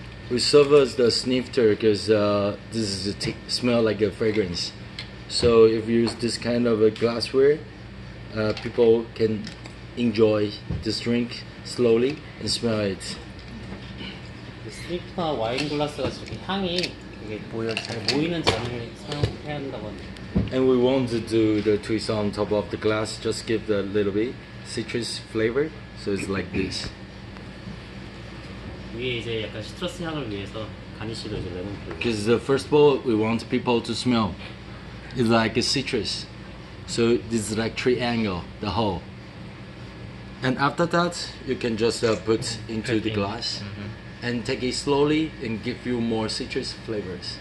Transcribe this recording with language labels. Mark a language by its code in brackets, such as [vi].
[en] We serve as the snifter because this is a smell like a fragrance. So if you use this kind of a glassware, people can enjoy this drink slowly and smell it. [ko] 스니프터 와인 글라스가 이렇게 향이 이게 보여 잘 모이는 장을 사용해야 한다고 [en] And we want to do the twist on top of the glass, just give the little bit citrus flavor, so it's like this. [ko] 위에 이제 약간 시트러스 향을 위해서 가니쉬도 이제 레몬. [en] Because the first of all, we want people to smell. It's like a citrus, so this is like triangle, the whole. And after that, you can just put into the glass. and take it slowly and give you more citrus flavors.